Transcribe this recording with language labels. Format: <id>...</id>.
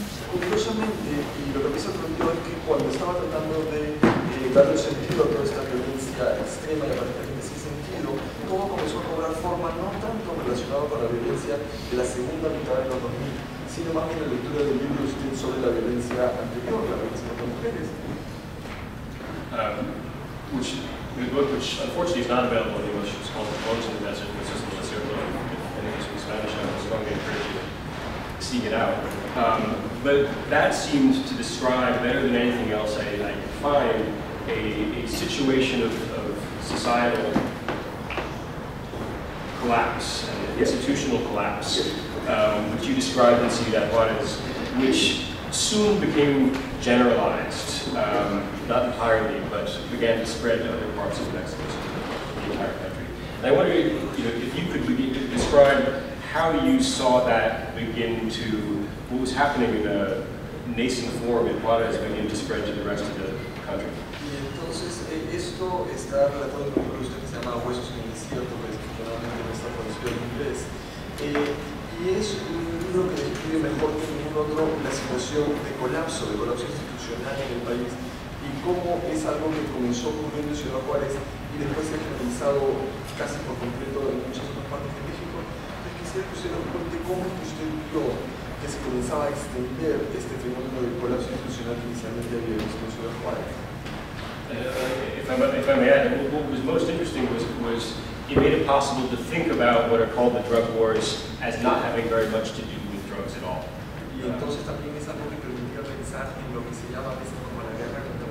<es>Curiosamente, y lo que me sorprendió es que cuando estaba tratando de darle sentido a toda esta violencia extrema y a partir de ese sentido, todo comenzó a cobrar forma no tanto relacionado con la violencia de la segunda mitad de los 2000, sino más bien la lectura de libros sobre la violencia anterior, la violencia contra mujeres.</es> <en>Which the book, which unfortunately is not available in English, is called The Bones of the Desert, which is the Cerro del Monte, in English and Spanish. I was going to encourage you to seek it out. But that seemed to describe better than anything else I could find a situation of societal collapse and institutional collapse, which you described in Ciudad Juarez, which soon became generalized. Not entirely, but began to spread to other parts of Mexico, the entire country. And I wonder if you could begin to describe how you saw that begin to, what was happening in a nascent form in Juarez begin to spread to the rest of the country.</en> <es>Y entonces, esto está relatado en un libro que se llama Huesos en el Desierto, que generalmente no está traducido en inglés. Y es un libro que describe mejor que ningún otro la situación de colapso institucional en el país. Y cómo es algo que comenzó ocurriendo en Ciudad Juárez y después se ha generalizado casi por completo en muchas otras partes de México. Entonces quisiera que usted nos cuente cómo es que usted vio que se comenzaba a extender este fenómeno de colapso institucional que inicialmente había visto en Ciudad Juárez.</es> <en>If I may add, what was most interesting was it made it possible to think about what are called the drug wars as not having very much to do with drugs at all.</en> <es>Y entonces también es algo que permitía pensar en lo que se llama a como la guerra.</es>